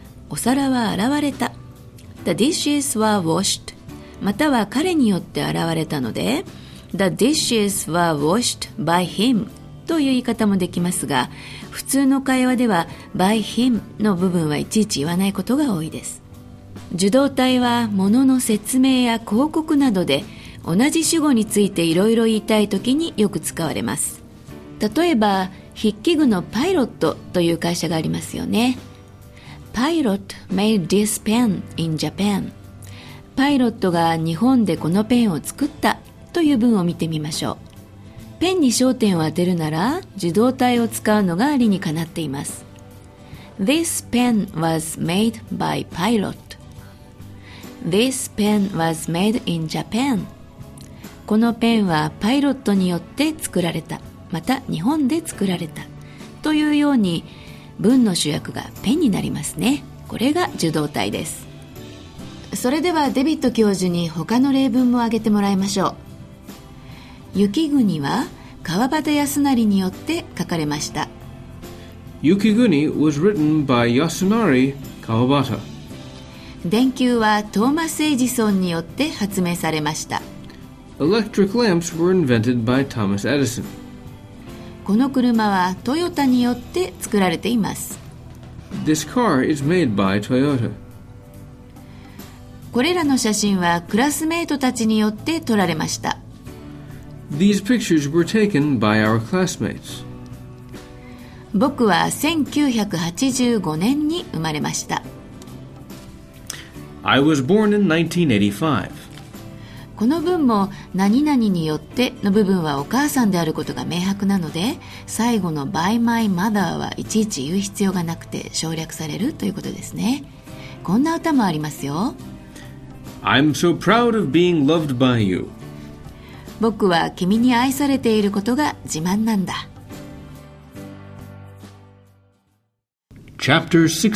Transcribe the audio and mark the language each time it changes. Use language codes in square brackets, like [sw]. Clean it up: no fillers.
[ja] お皿は洗われた、 The dishes were washed、または彼によって洗われたので、 The dishes were washed by him という言い方もできますが、普通の会話では by him の部分はいちいち言わないことが多いです。受動態は物の説明や広告などで同じ主語についていろいろ言いたいときによく使われます。例えば筆記具のパイロットという会社がありますよね。 [en] Pilot made this pen in Japan。 [ja] パイロットが日本でこのペンを作ったという文を見てみましょう。ペンに焦点を当てるなら受動態を使うのが理にかなっています。 [en] This pen was made by pilot。 This pen was made in Japan。 [ja] このペンはパイロットによって作られた、また日本で作られた、というように文の主役がペンになりますね。これが受動態です。それではデビット教授に他の例文も挙げてもらいましょう。雪国は川端康成によって書かれました。 [en] 雪国 was written by Yasunari Kawabata。 [ja] 電球はトーマス・エジソンによって発明されました。 [en] Electric lamps were invented by Thomas Edison。 [ja] この車はトヨタによって作られています。 [en] This car is made by Toyota。 [ja] これらの写真はクラスメートたちによって撮られました。 [en] These pictures were taken by our classmates。 [ja] 僕は1985年に生まれました。 [en] I was born in 1985。 [ja] この文も何々によっての部分はお母さんであることが明白なので、最後の by my mother はいちいち言う必要がなくて省略されるということですね。こんな歌もありますよ。 [en] I'm so proud of being loved by you。 [ja] 僕は君に愛されていることが自慢なんだ。 [en] Chapter